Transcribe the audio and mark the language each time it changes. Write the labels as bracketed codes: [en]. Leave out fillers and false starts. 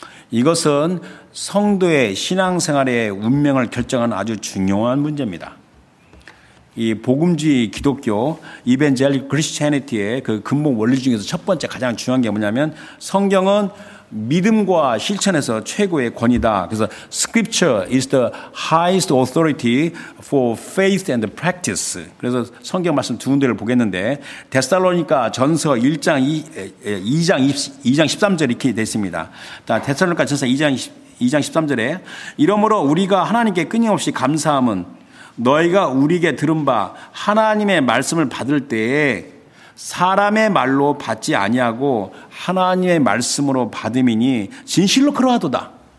[ko] 이것은 성도의 신앙생활의 운명을 결정하는 아주 중요한 문제입니다. 이 복음주의 기독교 이벤젤리 크리스티애니티의 그 근본 원리 중에서 첫 번째 가장 중요한 게 뭐냐면 성경은 믿음과 실천에서 최고의 권위다. 그래서 [en] Scripture is the highest authority for faith and practice. [ko] 그래서 성경 말씀 두 군데를 보겠는데 데살로니가 전서 2장 13절 이렇게 되어 있습니다. 데살로니가 전서 2장 13절에 이러므로 우리가 하나님께 끊임없이 감사함은 너희가 우리에게 들은 바 하나님의 말씀을 받을 때에 사람의 말로 받지 아니하고 하나님의 말씀으로 받음이니 진실로 그러하도다.